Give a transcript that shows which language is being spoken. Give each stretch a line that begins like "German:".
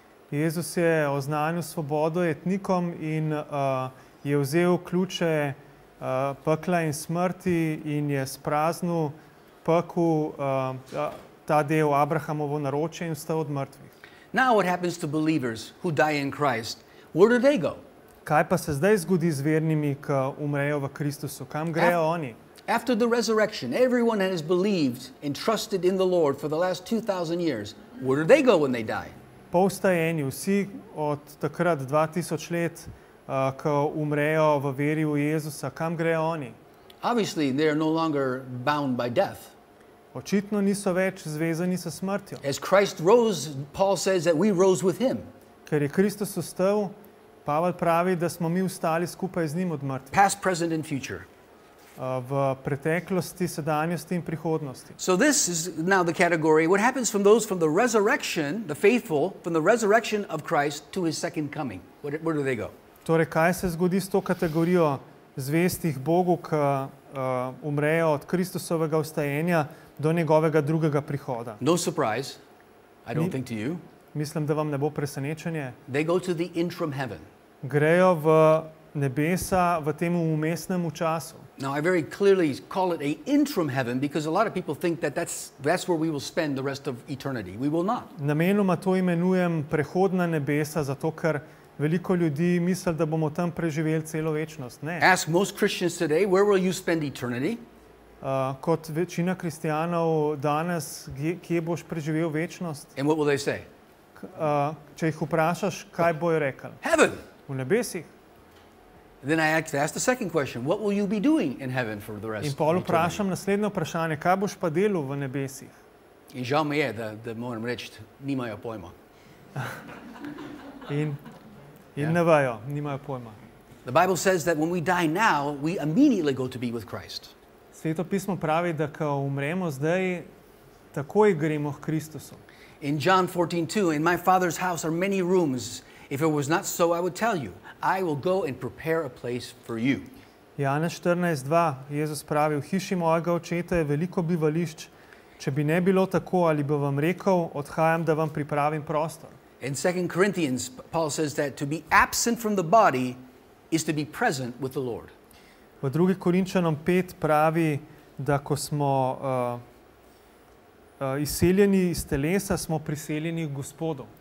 Slovenian: Jezus je oznanil svobodo jetnikom in je vzel ključe pekla in smrti in je spraznil peklu ta del Abrahamovo naročje in vstal od mrtvih.
English: Now what happens to believers who die in Christ? Where do they go?
Slovenian: Kaj pa se zdaj zgodi z vernimi, ki umrejo v Kristusu? Kam grejo oni?
English: After the resurrection, everyone has believed and trusted in the Lord for the last 2,000 years. Where do they go when they die?
Slovenian: Po vstajenju, vsi od takrat 2,000 let, ki umrejo v veri v Jezusa, kam grejo oni?
English: Obviously, they are no longer bound by death.
Slovenian: Očitno niso več zvezani s smrtjo.
English: As Christ rose, Paul says that we rose with him.
Slovenian: Ker je Kristus vstal, Pavel pravi, da smo mi vstali skupaj z njim od mrtvih.
English: Past, present and future.
Slovenian: V preteklosti, sedanjosti in prihodnosti.
English: So this is now the category. What happens from those from the resurrection, the faithful, from the resurrection of Christ to his second coming? Where do they go?
Slovenian: Torej, kaj se zgodi s to kategorijo zvestih Bogu, ki umrejo od Kristusovega vstajenja do njegovega drugega prihoda?
English: No surprise, I don't think to you.
Slovenian: Mislim, da vam ne bo presenečenje.
English: They go to the interim heaven.
Slovenian: Grejo v nebesa v tem umestnem času.
English: Now I very clearly call it a interim heaven because a lot of people think that that's where we will spend the rest of eternity. We will not.
Slovenian: Namenoma to imenujem prehodna nebesa, zato ker veliko ljudi misli, da bomo tam preživeli celo večnost. Ne.
English: Ask most Christians today, where will you spend eternity?
Slovenian: Kot večina kristijanov danes, kje boš preživel večnost?
English: And what will they say?
Slovenian: Če jih vprašaš, kaj bojo rekel?
English: Heaven!
Slovenian: V nebesih.
English: Then I ask the second question, what will you be doing in heaven for the rest
Slovenian: in pol vprašam naslednje vprašanje, kaj boš pa delal v nebesih? In žal mi je, da moram reči, nimajo pojma. In ne vajo, nimajo pojma.
English: The Bible says that when we die now, we immediately go to be with Christ.
Slovenian: Sveto pismo pravi, da ko umremo zdaj, takoj gremo k Kristusu.
English: In John 14:2, in my father's house are many rooms. If it was not so, I would tell you. I will go and prepare a place for you.
Slovenian: Janez 14:2, Jezus pravi, v hiši mojega očeta je veliko bivališč. Če bi ne bilo tako, ali bi vam rekel, odhajam, da vam pripravim prostor.
English: In 2 Corinthians, Paul says that to be absent from the body is to be present with the Lord.
Slovenian: V 2. Korinčanom 5 pravi, da ko smo izseljeni iz telesa, smo priseljeni k Gospodu.